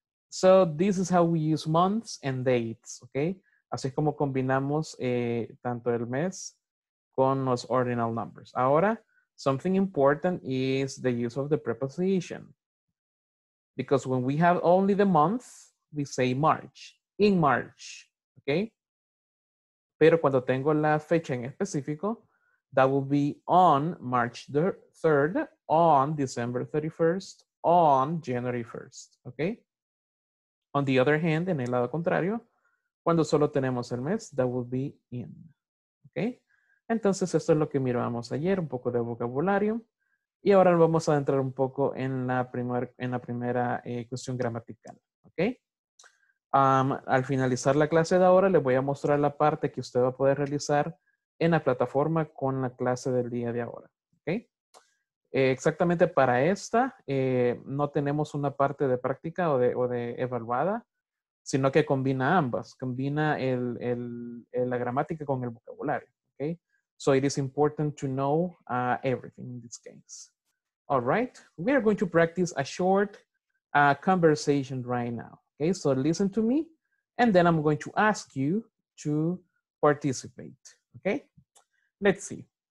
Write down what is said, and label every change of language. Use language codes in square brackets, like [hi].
[en] So this is how we use months and dates. Okay. [es] Así es como combinamos tanto el mes con los [en] ordinal numbers. [es] Ahora, [en] something important is the use of the preposition. Because when we have only the month, we say March. In March. Okay. [es] Pero cuando tengo la fecha en específico, [en] that will be on March the 3rd, on December 31st. On January 1st, okay? On the other hand, [es] en el lado contrario, cuando solo tenemos el mes, [en] that would be in, okay? [es] Entonces, esto es lo que mirábamos ayer, un poco de vocabulario. Y ahora vamos a entrar un poco en la primera cuestión gramatical, okay? Al finalizar la clase de ahora, les voy a mostrar la parte que usted va a poder realizar en la plataforma con la clase del día de ahora, okay? Exactamente para esta, no tenemos una parte de práctica o de evaluada, sino que combina ambas. Combina la gramática con el vocabulario. Okay? [en] So it is important to know everything in this case. All right. We are going to practice a short conversation right now. Okay. So listen to me and then I'm going to ask you to participate. Okay. Let's see.